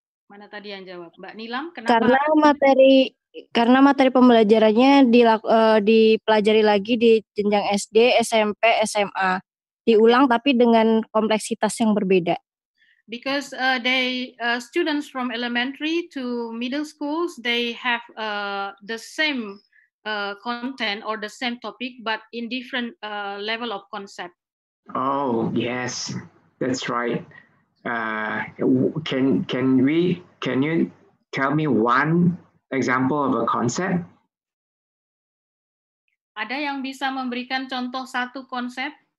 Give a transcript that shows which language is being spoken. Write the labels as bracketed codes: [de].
[id] Mana tadi yang jawab? Mbak Nilam, kenapa? Karena materi pembelajarannya dipelajari lagi di jenjang SD, SMP, SMA. Diulang tapi dengan kompleksitas yang berbeda. [en] Because students from elementary to middle schools, they have the same content or the same topic, but in different level of concept. Oh, yes, that's right. Can you tell me one example of a concept? [id] Ada yang bisa memberikan contoh satu konsep?